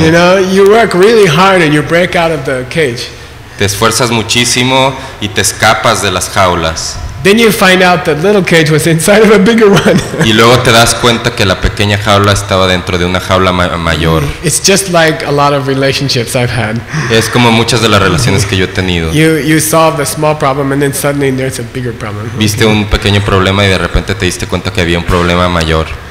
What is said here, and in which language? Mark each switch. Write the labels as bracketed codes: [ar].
[en] You know, you work really hard and you break out of the cage. [es] Te esfuerzas muchísimo y te escapas de las jaulas. [en] Then you find out that little cage was inside of a bigger one. [es] Y luego te das cuenta que la pequeña jaula estaba dentro de una jaula mayor. [en] It's just like a lot of relationships I've had. [es] Es como muchas de las relaciones que yo he tenido. [en] You solve the small problem and then suddenly there's a bigger problem. [es] Viste un pequeño problema y de repente te diste cuenta que había un problema mayor.